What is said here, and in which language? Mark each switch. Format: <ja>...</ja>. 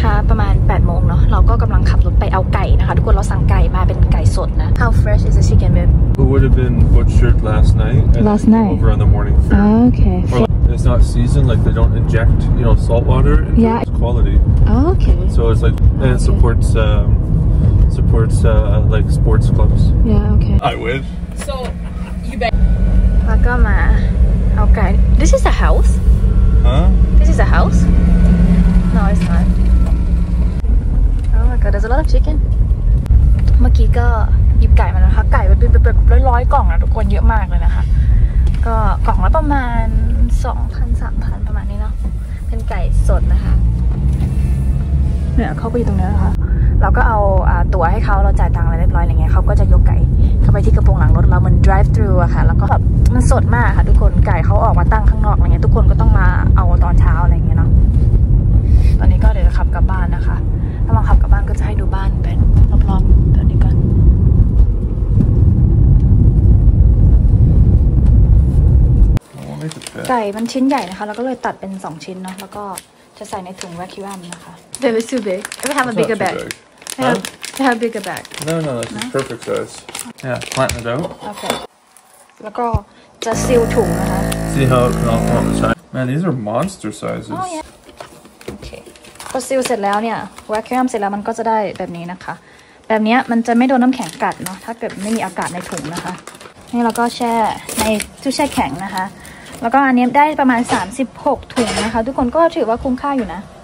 <th>ประมาณ8โมงเนาะเราก็กำลังขับรถไปเอาไก่นะคะทุกคนเราสั่งไก่มาเป็นไก่สดนะ</th> <en>How fresh is the chicken, babe? It would have been butchered last night. Last night. Over on the morning feed. Okay. Or, it's not seasoned, like they don't inject, you know, salt water. Yeah. It's quality. Oh, okay. So it's like, and it supports, supports like sports clubs. Yeah, okay. I win. So, you bet.</en> <th>แล้วก็มาเอาไก่</th> <en>This is a house? Huh? This is a house? No, it's not. God, there's a lot of chicken.</en> <th>เมื่อกี้ก็หยิบไก่มานะคะไก่เป็นแบบร้อยๆกล่องนะทุกคนเยอะมากเลยนะคะก็กล่องละประมาณ 2,000 3,000 ประมาณนี้เนาะเป็นไก่สดนะคะเนี่ยเขาก็อยู่ตรงนี้นะคะเราก็เอาตั๋วให้เขาเราจ่ายตังค์อะไรเรียบร้อยอะไรเงี้ยเขาก็จะยกไก่เข้าไปที่กระโปรงหลังรถเราเหมือน drive through อะค่ะแล้วก็แบบมันสดมากค่ะทุกคนไก่เขาออกมาตั้งข้างนอกอะไรเงี้ยทุกคนก็ต้องมาเอาตอนเช้าอะไรเงี้ยเนาะ ตอนนี้ก็เดี๋ยวจะขับกลับบ้านนะคะถ้ามาขับกลับบ้านก็จะให้ดูบ้านเป็นรอบๆตอนนี้กันไก่มันชิ้นใหญ่นะคะแล้วก็เลยตัดเป็น2ชิ้นเนาะแล้วก็จะใส่ในถุงแวคิวัมนะคะ</th> <en>Baby is too big We have a bigger bag We have a bigger bag No no this is perfect size Yeah plant it out</en> <th>Okay แล้วก็จะซีลถุงนะคะ</th> <en>See how it can all form the size Man these are monster sizes</en> <th>Oh yeahพอซีลเสร็จแล้วเนี่ยแวคิวัมเสร็จแล้วมันก็จะได้แบบนี้นะคะแบบนี้มันจะไม่โดนน้ำแข็งกัดเนาะถ้าเกิดไม่มีอากาศในถุงนะคะนี่เราก็แช่ในตู้แช่แข็งนะคะแล้วก็อันนี้ได้ประมาณ36ถุงนะคะทุกคนก็ถือว่าคุ้มค่าอยู่นะ</th>